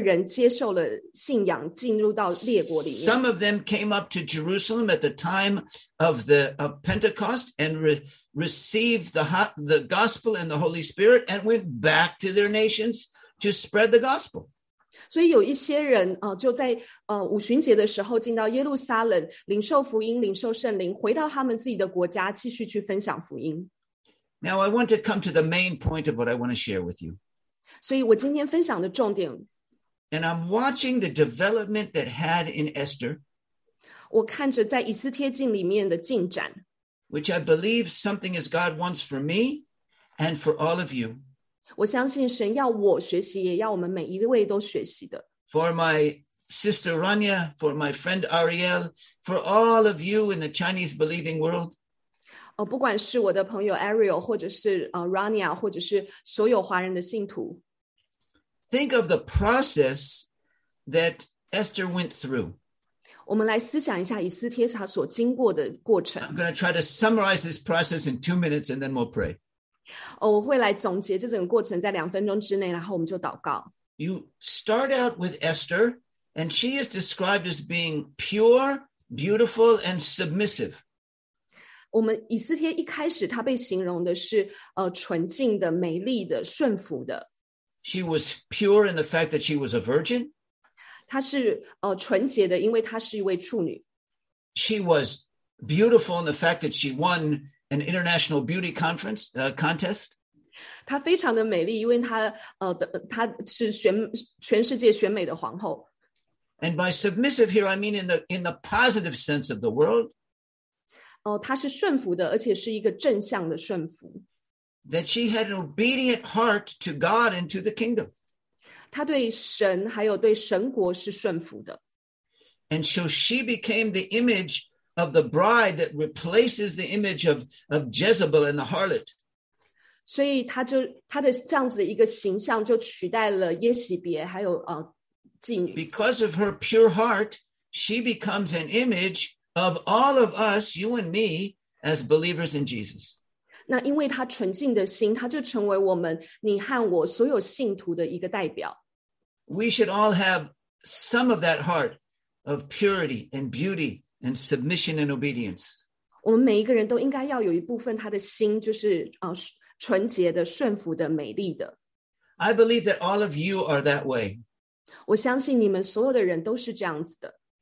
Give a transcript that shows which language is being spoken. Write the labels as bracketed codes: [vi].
[zh] 所以在以斯帖记的,因着以斯帖的信,他对神的信心,许多的人接受了信仰,进入到列国里面。 [en] Some of them came up to Jerusalem at the time of Pentecost and received the gospel and the Holy Spirit and went back to their nations to spread the gospel. [zh] 所以有一些人就在五旬节的时候进到耶路撒冷,领受福音,领受圣灵,回到他们自己的国家,继续去分享福音。 [en] Now I want to come to the main point of what I want to share with you. [zh] 所以我今天分享的重点, [en] And I'm watching the development that had in Esther. [zh] 我看着在以斯帖记里面的进展, [en] which I believe something is God wants for me and for all of you. [zh] 我相信神要我学习, [en] for my sister Rania, for my friend Ariel, for all of you in the Chinese believing world. [zh] 不管是我的朋友 Ariel, 或者是, Rania, 或者是所有华人的信徒, [en] think of the process that Esther went through. I'm going to try to summarize this process in 2 minutes and then we'll pray. [zh] 我会来总结这整个过程在两分钟之内, 然后我们就祷告。 [en] You start out with Esther, and she is described as being pure, beautiful, and submissive. [zh] 我们以斯帖一开始她被形容的是, 纯净的, 美丽的, 顺服的。 [en] She was pure in the fact that she was a virgin. [zh] 她是, 纯洁的, 因为她是一位处女。 [en] She was beautiful in the fact that she won an international beauty conference, contest. [zh] 她非常的美丽, 因为她, 她是全世界选美的皇后。 [en] And by submissive here, I mean in the positive sense of the world. [zh] 她是顺服的, 而且是一个正向的顺服。 [en] That she had an obedient heart to God and to the kingdom. [zh] 她对神还有对神国是顺服的。 [en] And so she became the image of the bride that replaces the image of Jezebel and the harlot. [zh] 所以她就她的这样子一个形象就取代了耶洗别还有, [en] Genius. Because of her pure heart, she becomes an image of all of us, you and me, as believers in Jesus. [zh] 那因为她纯净的心, 她就成为我们, 你和我所有信徒的一个代表。 [en] We should all have some of that heart of purity and beauty and submission and obedience. [zh] 我们每一个人都应该要有一部分她的心, 就是, 纯洁的, 顺服的, 美丽的。 [en] I believe that all of you are that way. [zh] 我相信你们所有的人都是这样子的。